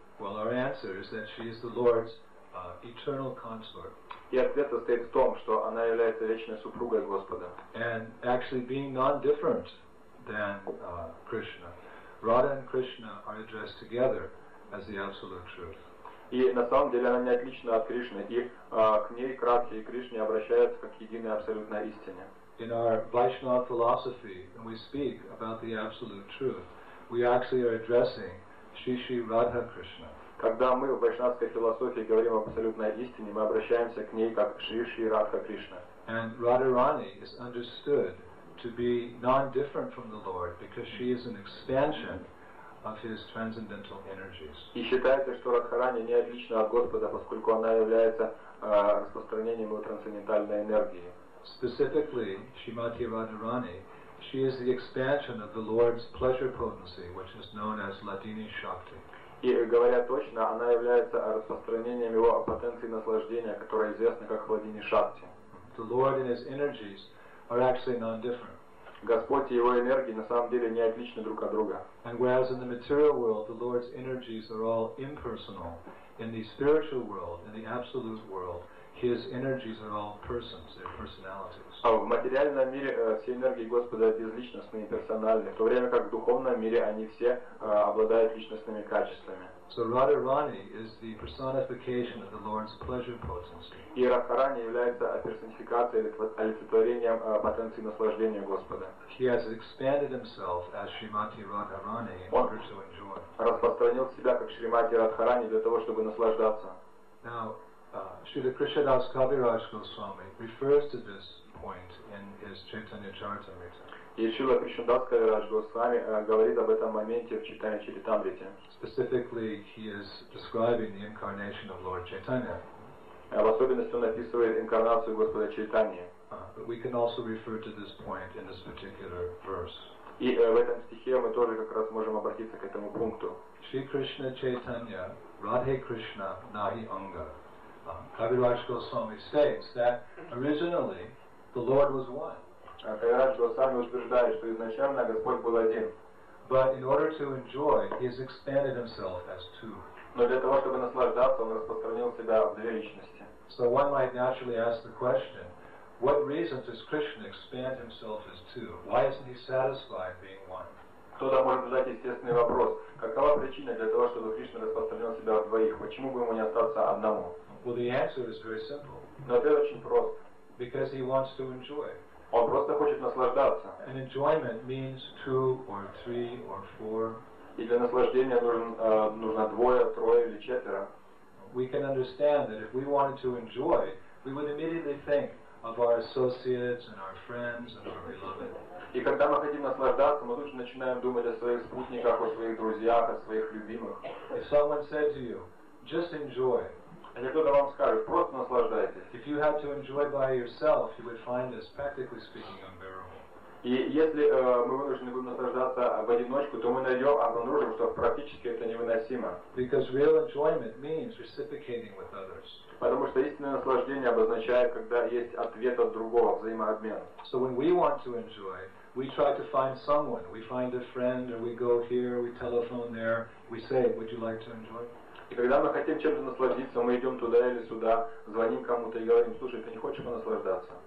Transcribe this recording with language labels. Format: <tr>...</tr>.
<en>Well, our answer is that she is the Lord's eternal consort.</en> <ru>И ответ состоит в том, что она является вечной супругой Господа.</ru> <en>And actually being non-different than Krishna, Radha and Krishna are addressed together as the absolute truth.</en> <ru>И на самом деле она не отлична от Кришны, и к ней к Радхе и Кришне обращаются как к единой абсолютной истине.</ru> <en>In our Vaishnava philosophy, when we speak about the absolute truth, we actually are addressing Shri Radha Krishna.</en> <ru>Когда мы в вайшнавской философии говорим об абсолютной истине, мы обращаемся к ней как Шри Радха Кришна.</ru> <en>And Radharani is understood to be non-different from the Lord because she is an expansion of his transcendental energies.</en> <ru>И считается, что Радхарани не отлична от Господа, поскольку она является распространением его трансцендентальной энергии.</ru> <en>Specifically, Shrimati Radharani, she is the expansion of the Lord's pleasure potency, which is known as Ladini Shakti.</en> <ru>И говоря точно, она является распространением его потенции наслаждения, которая известна как Ладини Шакти.</ru> <en>The Lord and his energies are actually non-different.</en> <ru>Господь и его энергии на самом деле не отличны друг от друга.</ru> <en>And whereas in the material world the Lord's energies are all impersonal, in the spiritual world, in the absolute world, his energies are all persons, their personalities.</en> <ru>А в материальном мире все энергии Господа безличностные, персональные, в то время как в духовном мире они все обладают личностными качествами.</ru> <en>So Radharani is the personification of the Lord's pleasure potency.</en> <ru>И Радхарани является персонификацией, олицетворением потенции наслаждения Господа.</ru> <en>He has expanded himself as Shrimati Radharani in order to enjoy.</en> <ru>Распространил себя как Шримати Радхарани для того, чтобы наслаждаться.</ru> <en>Now, Śrīla Kṛṣṇadāsa Kaviraj Goswami refers to this point in his Chaitanya Charitamrita.</en> <ru>И Шрила Кришнадас Кавирадж Госвами говорит об этом моменте в Чайтанья Чаритамрите.</ru> <en>Specifically, he is describing the incarnation of Lord Chaitanya.</en> <ru>В особенности он описывает инкарнацию Господа Чайтаньи.</ru> <en>But we can also refer to this point in this particular verse.</en> <ru>И в этом стихе мы тоже как раз можем обратиться к этому пункту.</ru> <bn>Шри Кришна Чайтанья, Радхе Кришна, Нахи Анга.</bn> <en>Кавирадж Госвами states that originally the Lord was one.</en> <ru>Кавирадж Госвами утверждает, что изначально Господь был один.</ru> <en>But in order to enjoy, he has expanded himself as two.</en> <ru>Но для того, чтобы наслаждаться, он распространил себя в две личности.</ru> <en>So one might naturally ask the question, what reason does Krishna expand himself as two? Why isn't he satisfied being one?</en> <ru>Кто-то может задать естественный вопрос, какова причина для того, чтобы Кришна распространил себя в двоих? Почему бы ему не остаться одному?</ru> <en>Well, the answer is very simple.</en> <ru>Но ответ очень прост.</ru> <en>Because he wants to enjoy.</en> <ru>Он просто хочет наслаждаться.</ru> <en>And enjoyment means two or three or four.</en> <ru>И для наслаждения нужно двое, трое или четверо.</ru> <en>We can understand that if we wanted to enjoy, we would immediately think of our associates and our friends and our beloved.</en> <ru>И когда мы хотим наслаждаться, мы тут же начинаем думать о своих спутниках, о своих друзьях, о своих любимых.</ru> <en>If someone said to you, just enjoy.</en> <ru>Если кто-то вам скажет, просто наслаждайтесь.</ru> <en>If you had to enjoy by yourself, you would find this, practically speaking, unbearable.</en> <ru>И если мы вынуждены будем наслаждаться в одиночку, то мы найдем, обнаружим, что практически это невыносимо.</ru> <en>Because real enjoyment means reciprocating with others.</en> <ru>Потому что истинное наслаждение обозначает, когда есть ответ от другого, взаимообмен.</ru> <en>So when we want to enjoy, we try to find someone. We find a friend, or we go here, we telephone there, we say, would you like to enjoy?</en> <ru>И когда мы хотим чем-то насладиться, мы идем туда или сюда, звоним кому-то и говорим, слушай, ты не хочешь понаслаждаться?</ru>